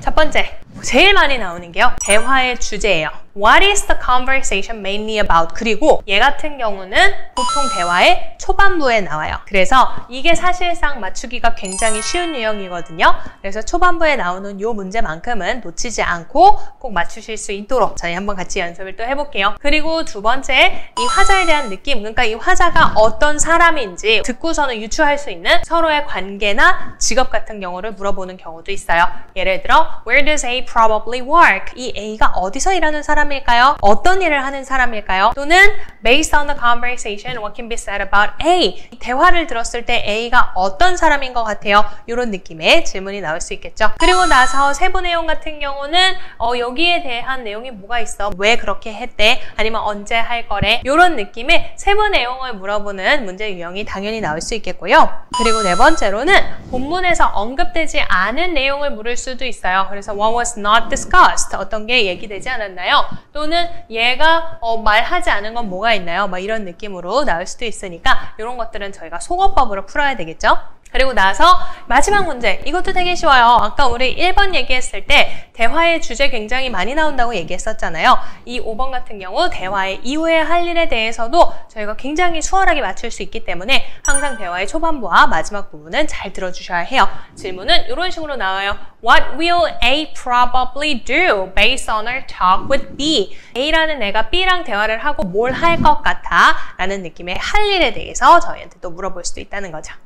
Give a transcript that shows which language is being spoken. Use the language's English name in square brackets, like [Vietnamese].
[Korean] 번째, 제일 많이 나오는 게요, 대화의 주제예요. [English] What is the conversation mainly about? [Korean] 그리고 얘 같은 경우는 보통 대화의 초반부에 나와요. 그래서 이게 사실상 맞추기가 굉장히 쉬운 유형이거든요. 그래서 초반부에 나오는 요 문제만큼은 놓치지 않고 꼭 맞추실 수 있도록 저희 한번 같이 연습을 또 해볼게요. 그리고 두 번째, 이 화자에 대한 느낌, 그러니까 이 화자가 어떤 사람인지 듣고서는 유추할 수 있는 서로의 관계나 직업 같은 경우를 물어보는 경우도 있어요. 예를 들어 [English] Where does A probably work? [Korean] 이 A가 어디서 일하는 사람일까요? 어떤 일을 하는 사람일까요? [English] 또는 Based on the conversation, what can be said about A? [Korean] 대화를 들었을 때 A가 어떤 사람인 것 같아요? 이런 느낌의 질문이 나올 수 있겠죠. 그리고 나서 세부 내용 같은 경우는 여기에 대한 내용이 뭐가 있어? 왜 그렇게 했대? 아니면 언제 할 거래? 이런 느낌의 세부 내용을 물어보는 문제 유형이 당연히 나올 수 있겠고요. 그리고 네 번째로는 본문에서 언급되지 않은 내용을 물을 수도 있어요. 그래서 [English] What was not discussed? [Korean] 어떤 게 얘기되지 않았나요? 또는 얘가 말하지 않은 건 뭐가 있나요? 막 이런 느낌으로 나올 수도 있으니까 이런 것들은 저희가 속어법으로 풀어야 되겠죠? 그리고 나서 마지막 문제, 이것도 되게 쉬워요. 아까 우리 1번 얘기했을 때 대화의 주제 굉장히 많이 나온다고 얘기했었잖아요. 이 5번 같은 경우 대화의 이후에 할 일에 대해서도 저희가 굉장히 수월하게 맞출 수 있기 때문에 항상 대화의 초반부와 마지막 부분은 잘 들어주셔야 해요. 질문은 이런 식으로 나와요. [English] What will A probably do based on her talk with B? [Korean] A라는 애가 B랑 대화를 하고 뭘 할 것 같아? 라는 느낌의 할 일에 대해서 저희한테 또 물어볼 수도 있다는 거죠.